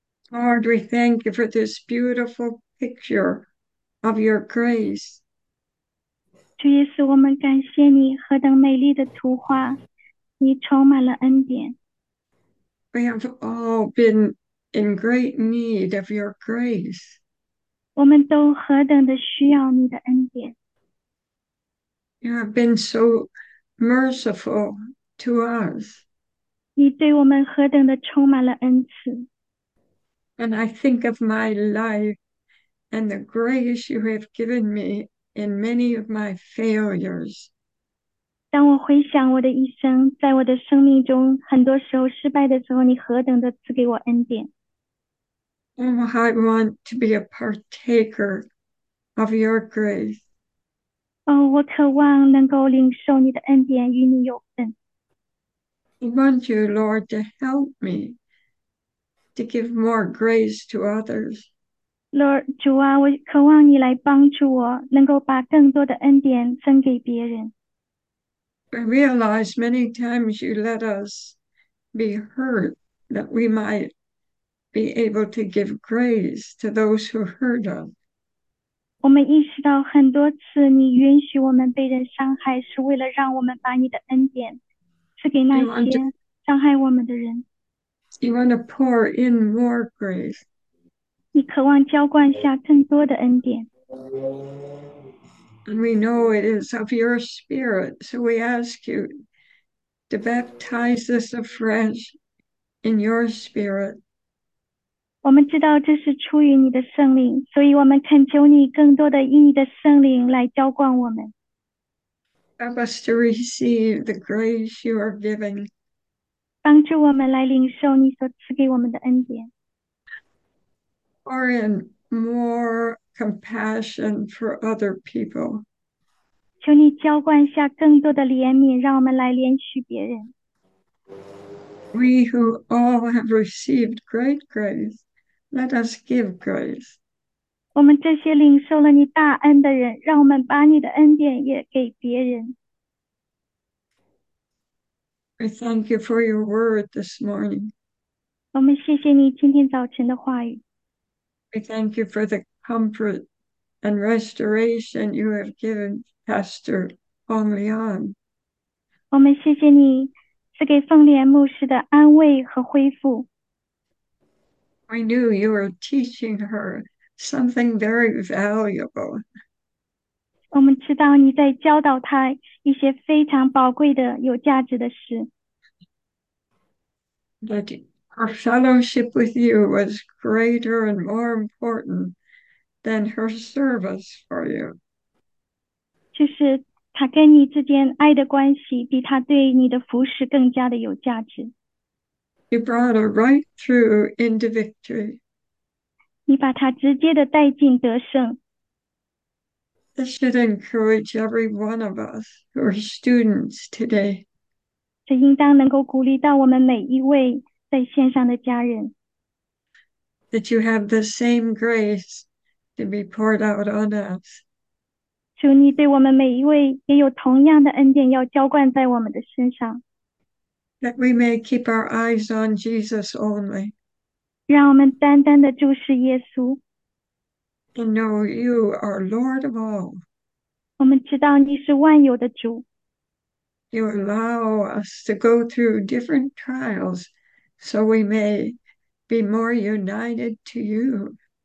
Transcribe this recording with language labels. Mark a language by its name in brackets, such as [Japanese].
[English] Lord, we thank you for this beautiful picture of your grace. [Chinese] 主耶稣，我们感谢你何等美丽的图画，你充满了恩典。 [English] We have all been in great need of your grace. [Chinese] 我们都何等的需要你的恩典。 [English] You have been so merciful to us. [Chinese] 你对我们何等的充满了恩慈。 [English] And I think of my life and the grace you have given me in many of my failures. [Chinese] 当我回想我的一生，在我的生命中，很多时候失败的时候，你何等的赐给我恩典。 [English] Oh, I want to be a partaker of your grace. [Chinese] 哦，我渴望能够领受你的恩典，与你有份。 [English] I want you, Lord, to help me to give more grace to others. [Chinese] Lord 主啊，我渴望你来帮助我，能够把更多的恩典分给别人。 [English] I realize many times you let us be hurt that we might be able to give grace to those who hurt us. [Chinese] 我们意识到很多次，你允许我们被人伤害，是为了让我们把你的恩典赐给那些伤害我们的人。 [English] You want to pour in more grace. [Chinese] 你渴望浇灌下更多的恩典。 [English] And we know it is of your spirit, so we ask you to baptize us afresh in your spirit. [Chinese] 我们知道这是出于你的圣灵，所以我们恳求你更多的以你的圣灵来浇灌我们。 [English] Help us to receive the grace you are giving. [Chinese] 帮助我们来领受你所赐给我们的恩典。 [English] Pour in more compassion for other people. [Chinese] 求你浇灌下更多的怜悯，让我们来怜恤别人。 [English] We who all have received great grace, let us give grace. [Chinese] 我们这些领受了你大恩的人，让我们把你的恩典也给别人。 [English] I thank you for your word this morning. [Chinese] 我们谢谢你今天早晨的话语。 [English] I thank you for the comfort and restoration you have given Pastor Hong Leon. [Chinese] 我们谢谢你赐给凤莲牧师的安慰和恢复。 [English] I knew you were teaching her something very valuable. [Chinese] 我们知道你在教导他一些非常宝贵的、有价值的事。 [English] That her fellowship with you was greater and more important than her service for you. [Chinese] 就是他跟你之间爱的关系，比他对你的服侍更加的有价值。 [English] You brought her right through into victory. [Chinese] 你把他直接的带进得胜。 [English] This should encourage every one of us who are students today. [Chinese] 这应当能够鼓励到我们每一位在线上的家人。 [English] That you have the same grace to be poured out on us. [Chinese] 求你对我们每一位也有同样的恩典要浇灌在我们的身上。 [English] That we may keep our eyes on Jesus only. [Chinese] 让我们单单的注视耶稣。 [English] And know you are Lord of all. [Chinese] 我们知道你是万有的主。 [English] You allow us to go through different trials so we may. Be more united to you.